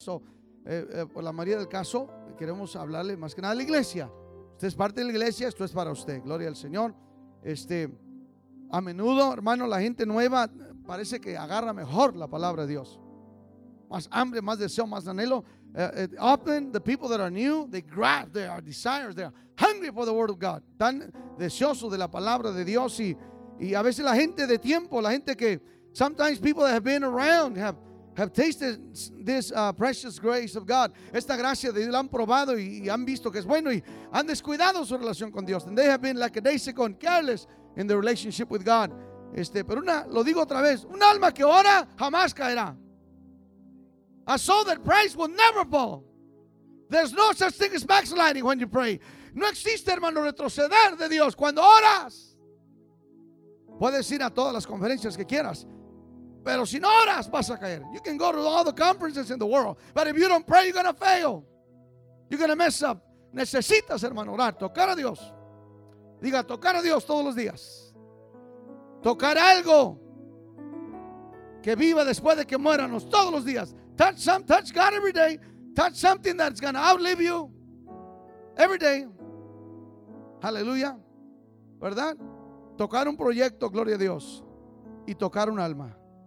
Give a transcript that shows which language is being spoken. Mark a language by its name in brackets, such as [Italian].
[Spanish] So, por la mayoría del caso, queremos hablarle más que nada a la iglesia. Usted es parte de la iglesia, esto es para usted. Gloria al Señor. A menudo, hermano, la gente nueva parece que agarra mejor la palabra de Dios. Más hambre, más deseo, más anhelo. [English] Often the people that are new, they grab their desires, they are hungry for the word of God. [Spanish] Tan deseoso de la palabra de Dios. Y a veces la gente de tiempo, la gente que, [English] sometimes people that have been around have tasted this precious grace of God. [Spanish] Esta gracia de Dios la han probado y han visto que es bueno y han descuidado su relación con Dios. [English] And they have been like a day sick and careless in their relationship with God. [Spanish] Pero una, lo digo otra vez, un alma que ora jamás caerá. [English] A soul that prays will never fall. There's no such thing as backsliding when you pray. [Spanish] No existe, hermano, retroceder de Dios cuando oras. Puedes ir a todas las conferencias que quieras, pero si no oras vas a caer. [English] You can go to all the conferences in the world, but if you don't pray, you're going to fail. You're going to mess up. [Spanish] Necesitas, hermano, orar, tocar a Dios. Diga, tocar a Dios todos los días. Tocar algo que viva después de que muéranos todos los días. [English] Touch God every day. Touch something that's going to outlive you every day. [Spanish] Hallelujah. ¿Verdad? Tocar un proyecto, gloria a Dios, y tocar un alma.